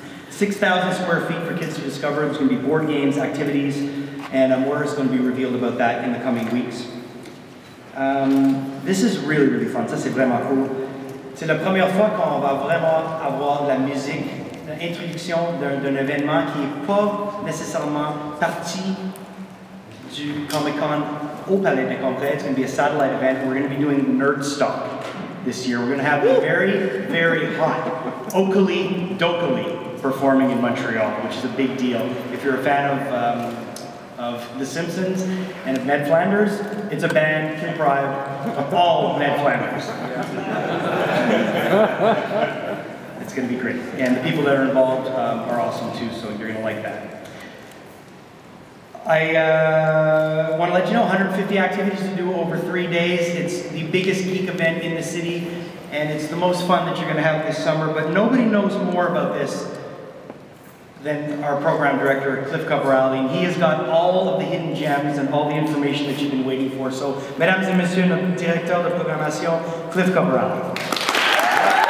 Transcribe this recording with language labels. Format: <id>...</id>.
<en>6,000 square feet for kids to discover. There's going to be board games, activities, and more is going to be revealed about that in the coming weeks. This is really, really fun.</en> <fr>Ça, c'est vraiment cool. C'est la première fois qu'on va vraiment avoir la musique, l'introduction d'un événement qui n'est pas nécessairement partie du Comic-Con.</fr> <en>Au Palais des Congrès, it's going to be a satellite event. We're going to be doing nerd stock this year. We're going to have a very, very hot Oakley Dokley performing in Montreal, which is a big deal. If you're a fan of The Simpsons and of Ned Flanders, it's a band comprised of all Ned Flanders. It's going to be great. And the people that are involved are awesome too, so you're going to like that. I want to let you know, 150 activities to do over 3 days. It's the biggest geek event in the city, and it's the most fun that you're going to have this summer. But nobody knows more about this than our program director, Cliff Caporale. He has got all of the hidden gems and all the information that you've been waiting for.</en> <fr>So, mesdames et messieurs, le directeur de programmation, Cliff Caporale.</fr>